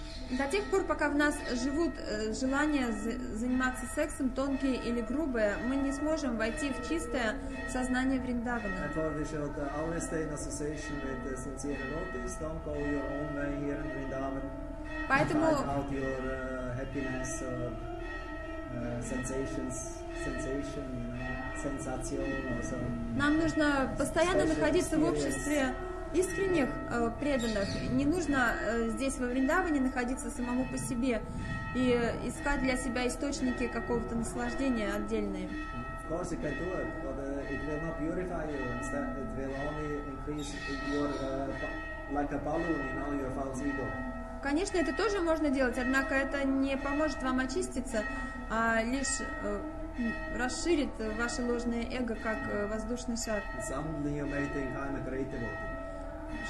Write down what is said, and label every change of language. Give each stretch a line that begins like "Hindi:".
Russian: До тех пор, пока в нас живут желания заниматься сексом, тонкие или грубые, мы не сможем войти в чистое сознание Вриндавана.
English: We should always stay in association with the sincere devotees. Don't go your own way here in Vrindavan.
Russian: Поэтому
English: find out your happiness or sensation or some.
Russian: Нам нужно постоянно находиться в обществе искренних преданных. Не нужно здесь во Вриндаване находиться самому по себе и искать для себя источники какого-то наслаждения отдельные.
English: Of course you can do it, but it will not purify you. Instead, it will only increase your like a balloon, you know, your false ego.
Russian: Конечно, это тоже можно делать, однако это не поможет вам очиститься, а лишь расширит ваше ложное эго, как воздушный шар.
English: Suddenly you may think I'm a great devotee.